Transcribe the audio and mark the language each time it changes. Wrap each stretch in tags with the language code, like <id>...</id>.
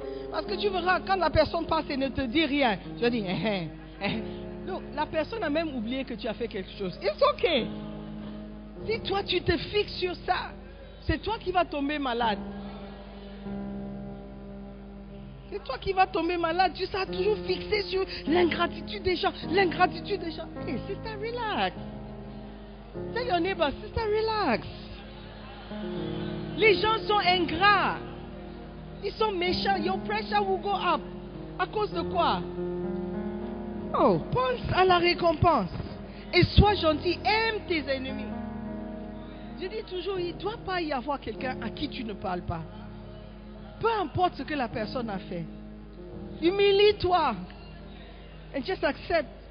<fr>Parce que tu verras, quand la personne passe et ne te dit rien, tu vas dire, Donc, la personne a même oublié que tu as fait quelque chose.</fr> <en>It's okay.</en> <fr>Si toi, tu te fixes sur ça, c'est toi qui vas tomber malade. C'est toi qui vas tomber malade. Tu seras toujours fixé sur l'ingratitude des gens.</fr> <en>Hey, sister, relax. Tell your neighbor, sister, relax.</en> <fr>Les gens sont ingrats. Ils sont méchants.</fr> <en>Your pressure will go up.</en> <fr>À cause de quoi? Oh, pense à la récompense. Et sois gentil. Aime tes ennemis. Je dis toujours, il ne doit pas y avoir quelqu'un à qui tu ne parles pas. Peu importe ce que la personne a fait. Humilie-toi. Et</fr> <en>just accept.</en>